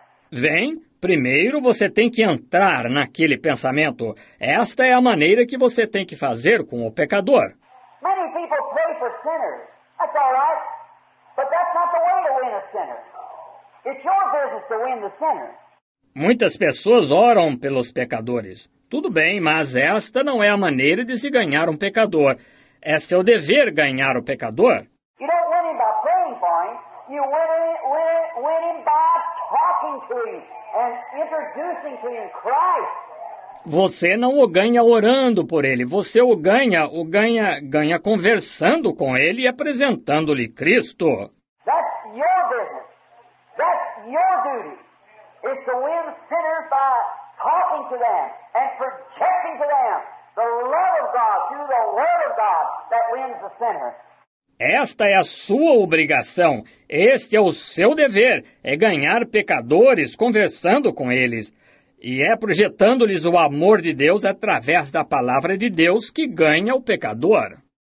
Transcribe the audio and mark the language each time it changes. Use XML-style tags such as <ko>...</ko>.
<pt>Vem, primeiro você tem que entrar naquele pensamento. Esta é a maneira que você tem que fazer com o pecador.</pt> <en>Many people pray for sinners. That's all right. But that's not the way to win a sinner. It's your business to win the sinner.</en> <pt>Muitas pessoas oram pelos pecadores. Tudo bem, mas esta não é a maneira de se ganhar um pecador. É seu dever ganhar o pecador.</pt> <en>You don't win him by praying for him. You win him by talking to him and introducing to him Christ.</en> <pt>Você não o ganha orando por ele. Você o ganha conversando com ele e apresentando-lhe Cristo.</pt> <en>That's your business. That's your duty. It's to win sinners by talking to them and projecting to them the love of God through the word of God that wins the sinner.</en> <pt>Esta é a sua obrigação. Este é o seu dever. É ganhar pecadores conversando com eles. E é projetando-lhes o amor de Deus através da palavra de Deus que ganha o pecador.</pt>